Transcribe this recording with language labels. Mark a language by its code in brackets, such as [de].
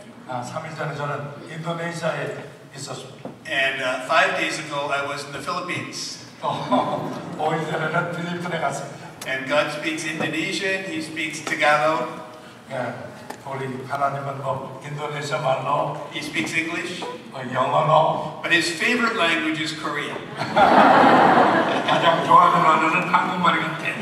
[ko] 3일 전에 저는 인도네시아에 있었습니다. [en] And 5 days ago, I was in the Philippines. [ko] 5일 전에는 필리핀에 갔습니다. [en] And God speaks Indonesian, He speaks Tagalog. [ko] 우리 하나님은 뭐 인도네시아 말로. [en] He speaks English. [ko] 영어로. [en] But His favorite language is Korean. [ko] 가장 좋아하는 언어는 한국말이 같아요.